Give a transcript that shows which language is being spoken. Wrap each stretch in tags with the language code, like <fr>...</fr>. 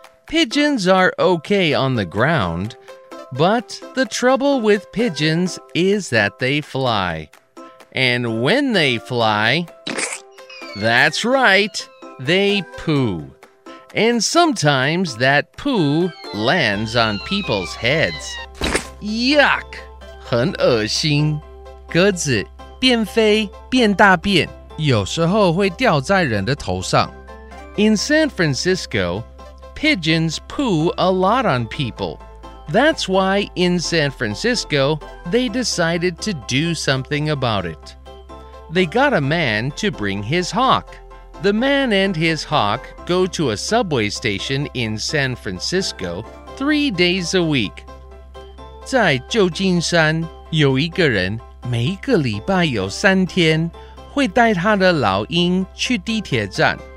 <en>Pigeons are okay on the ground, but the trouble with pigeons is that they fly. And when they fly, that's right, they poo. And sometimes that poo lands on people's heads. Yuck!</en> <zh>很恶心。鸽子边飞边大便，有时候会掉在人的头上。</zh> <en>In San Francisco, pigeons poo a lot on people. That's why in San Francisco, they decided to do something about it. They got a man to bring his hawk. The man and his hawk go to a subway station in San Francisco 3 days a week.</en> <zh>在旧金山有一个人每一个礼拜有三天会带他的老鹰去地铁站。</zh>